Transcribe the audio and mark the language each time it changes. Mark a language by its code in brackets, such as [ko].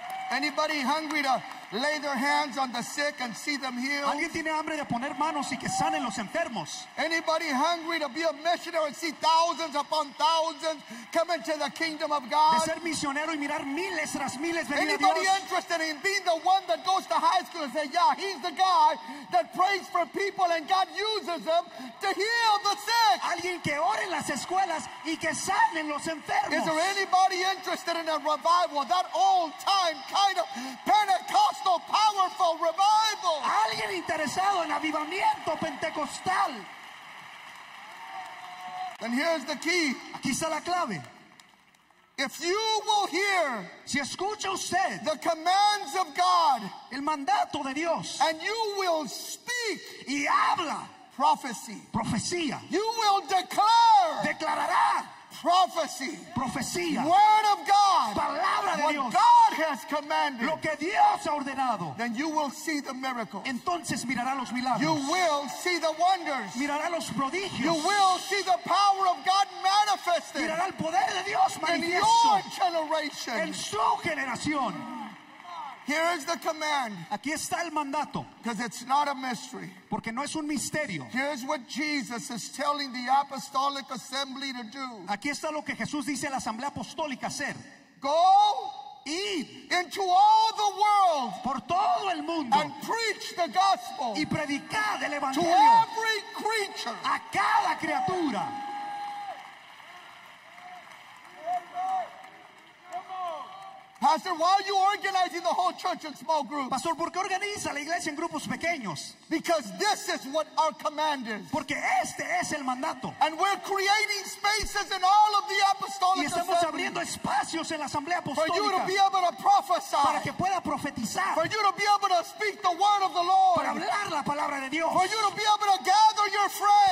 [en] Anybody hungry to lay their hands on the sick and see them healed? [es] ¿Alguien tiene hambre de poner manos y que sanen los enfermos? [en] Anybody hungry to be a missionary and see thousands upon thousands come into the kingdom of God? [es] De ser misionero y mirar miles tras miles venir a [en] Anybody interested in being the one that goes to high school and say, yeah, he's the guy that prays for people and God uses them to heal the sick? [es] ¿Alguien que ore en las escuelas y que sanen los enfermos? [en] Is there anybody interested in a revival, that old-time kind of Pentecostal? Powerful revival. [es] ¿Alguien interesado en avivamiento pentecostal? [en] And here's the key. [es] Aquí está la clave. [en] If you will hear, [es] si escucha usted, [en] the commands of God, [es] el mandato de Dios, [en] and you will speak, [es] y habla, [en] prophecy, [es] profecía, [en] you will declare, [es] declarará, [en] prophecy, [es] profecía, [en] word of God, [es] palabra de [en] what [es] Dios, [en] God has commanded, [es] lo que Dios ha ordenado, [en] then you will see the miracles. [es] Entonces mirará los milagros. [en] You will see the wonders. [es] Mirará los prodigios. [en] You will see the power of God manifested. [es] Mirará el poder de Dios manifiesto. [en] In your generation. [es] En su generación. [en] Here is the command. [es] Aquí está el mandato. [en] Because it's not a mystery. [es] Porque no es un misterio. [en] Here's what Jesus is telling the apostolic assembly to do. [es] Aquí está lo que Jesús dice a la asamblea apostólica hacer. [en] Go [es] Id [en] into all the world [es] por todo el mundo [en] and preach the gospel [es] y predicad el evangelio [en] to every creature. [es] A cada criatura. [en] Pastor, why are you organizing the whole church in small groups? [es] Pastor, ¿por qué organiza la iglesia en grupos pequeños? [en] Because this is what our command is. [es] Porque este es el mandato. [en] And we're creating spaces in all of the apostolic [es] y estamos abriendo espacios en la asamblea apostólica. [en] For you to be able to prophesy. [es] Para que pueda profetizar. [en] For you to be able to speak the word of the Lord. [es] Para hablar la palabra de Dios. [en] For you to be able to gather your friends.